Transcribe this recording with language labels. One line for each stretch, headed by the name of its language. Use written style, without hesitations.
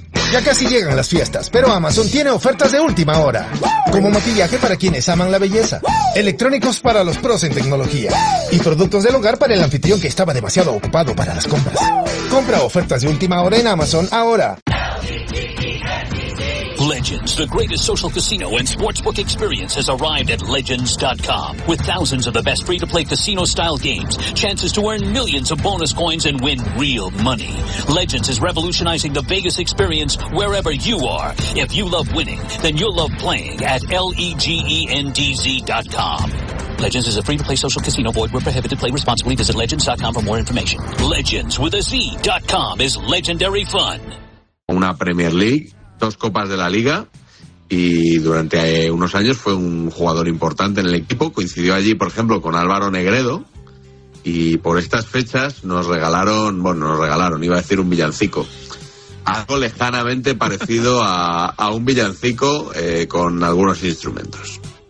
Spanish: Ya casi llegan las fiestas, pero Amazon tiene ofertas de última hora. Como maquillaje para quienes aman la belleza, electrónicos para los pros en tecnología y productos del hogar para el anfitrión que estaba demasiado ocupado para las compras. Compra ofertas de última hora en Amazon ahora.
English: Legends, the greatest social casino and sportsbook experience has arrived at Legends.com. With thousands of the best free-to-play casino-style games, chances to earn millions of bonus coins and win real money. Legends is revolutionizing the Vegas experience wherever you are. If you love winning, then you'll love playing at Legends.com. Legends is a free-to-play social casino. Void where prohibited. Play responsibly. Visit Legends.com for more information. Legends with a Z.com is legendary fun.
Spanish: Una Premier League, dos copas de la Liga, y durante unos años fue un jugador importante en el equipo. Coincidió allí, por ejemplo, con Álvaro Negredo, y por estas fechas nos regalaron, iba a decir un villancico, algo lejanamente parecido a un villancico con algunos instrumentos.